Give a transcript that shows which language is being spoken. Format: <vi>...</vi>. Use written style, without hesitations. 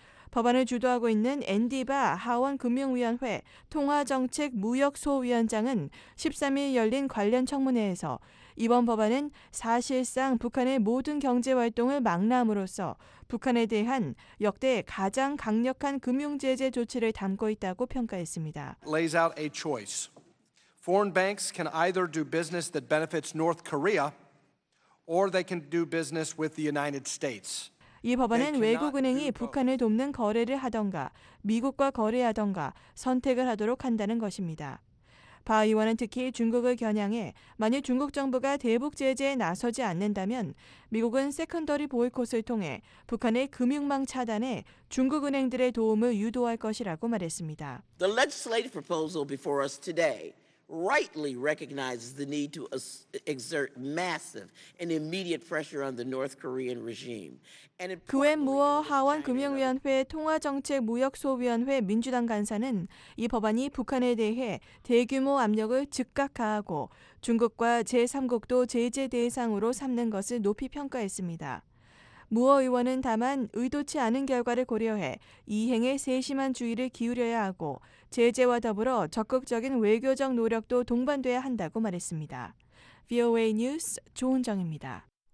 <ko>법안을 주도하고 있는 앤디 바 하원금융위원회 통화정책무역소위원장은 13일 열린 관련 청문회에서 이번 법안은 사실상 북한의 모든 경제활동을 막람으로써 북한에 대한 역대 가장 강력한 금융제재 조치를 담고 있다고 평가했습니다.</ko> <en>Lays out a choice. Foreign banks can either do business that benefits North Korea or they can do business with the United States.</en> <ko>이 법안은 외국은행이 북한을 돕는 거래를 하던가 미국과 거래하던가 선택을 하도록 한다는 것입니다. 바 의원은 특히 중국을 겨냥해 만일 중국 정부가 대북 제재에 나서지 않는다면 미국은 세컨더리 보이콧을 통해 북한의 금융망 차단에 중국은행들의 도움을 유도할 것이라고 말했습니다.</ko> <en>The legislative proposal before us today rightly recognizes the need to exert massive and immediate pressure on the North Korean regime.</en> <ko>그웬 무어 하원 금융위원회 통화정책무역소위원회 민주당 간사는 이 법안이 북한에 대해 대규모 압력을 즉각 가하고 중국과 제3국도 제재 대상으로 삼는 것을 높이 평가했습니다. 무어 의원은 다만 의도치 않은 결과를 고려해 이행에 세심한 주의를 기울여야 하고 제재와 더불어 적극적인 외교적 노력도 동반돼야 한다고 말했습니다. VOA 뉴스 조은정입니다.</ko>